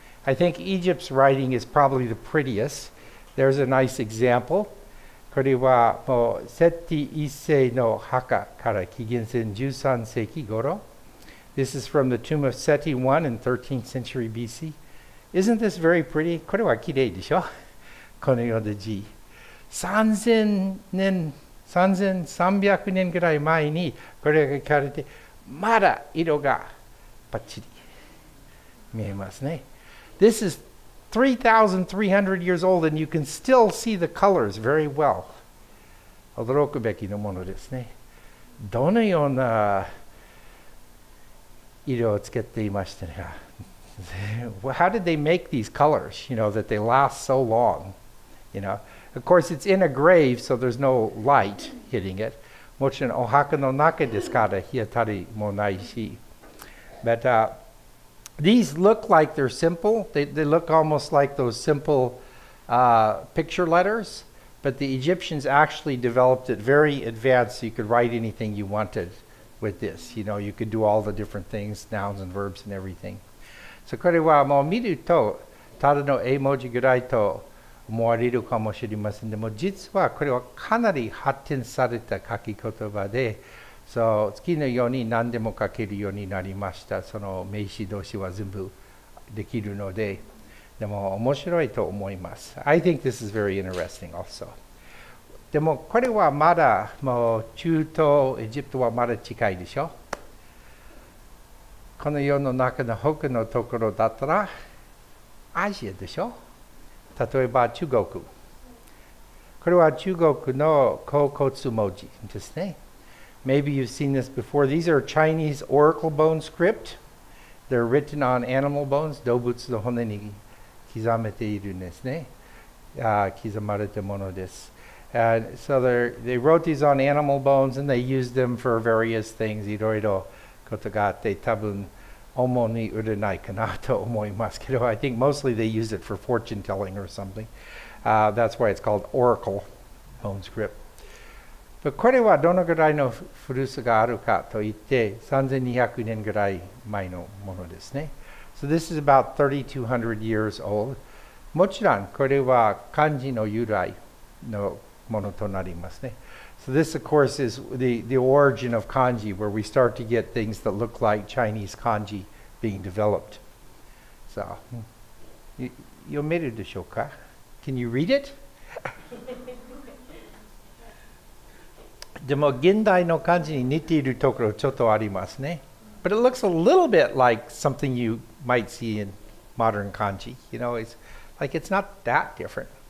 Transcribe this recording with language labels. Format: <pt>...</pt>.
<en>I think Egypt's writing is probably the prettiest. There's a nice example.</en> <ja>Kore wa mo Seti 1世の墓から紀元前13世紀頃</ja> <en>This is from the tomb of Seti I in 13th century BC. Isn't this very pretty?</en> <ja>これはきれいでしょ?このような字。 3300年ぐらい前にこれが書かれて、まだ色がパッチリ見えますね。</ja> <en>This is 3,300 years old and you can still see the colors very well.</en> <ja>驚くべきのものですね。どのような色をつけていましたか?</ja> <en>How did they make these colors, you know, that they last so long? You know, of course it's in a grave, so there's no light hitting it.</en> <ja>もちろんお墓の中ですから日当たりもないし。</ja> <en>But these look like they're simple. They look almost like those simple picture letters. But the Egyptians actually developed it very advanced, so you could write anything you wanted. With this, you know, you could do all the different things, nouns and verbs and everything.</en> <ja>So, これはもう見ると、ただの絵文字ぐらいと思われるかもしれませんでも、実はこれはかなり発展された書き言葉で、そう、好きなように何でも書けるようになりました。その名詞動詞は全部できるので、でも面白いと思います。</ja> <en>I think this is very interesting also.</en> <ja>でもこれはまだもう中東エジプトはまだ近いでしょ。この世の中の北のところだったらアジアでしょ。例えば中国。これは中国の甲骨文字ですね。</ja> <en>Maybe you've seen this before. These are Chinese oracle bone script. They're written on animal bones.</en> <ja>動物の骨に刻めているんですね。刻まれたものです。</ja> <en>And so they wrote these on animal bones and they used them for various things.</en> <ja>いろいろことがあって、多分主に売れないかなと思いますけど、</ja> <en>I think mostly they use it for fortune telling or something. That's why it's called oracle bone script.</en> <ja>But これはどのぐらいの古さがあるかといって、3200年ぐらい前のものですね。</ja> <en>So this is about 3200 years old.</en> <ja>もちろんこれは漢字の由来のものとなりますね。</ja> <en>So this, of course, is the origin of kanji, where we start to get things that look like Chinese kanji being developed. So, you made it,</en> <ja>でしょうか?</ja> <en>Can you read it?</en> <ja>でも現代の漢字に似ているところちょっとありますね。</ja> <en>But it looks a little bit like something you might see in modern kanji. You know, it's like it's not that different.</en>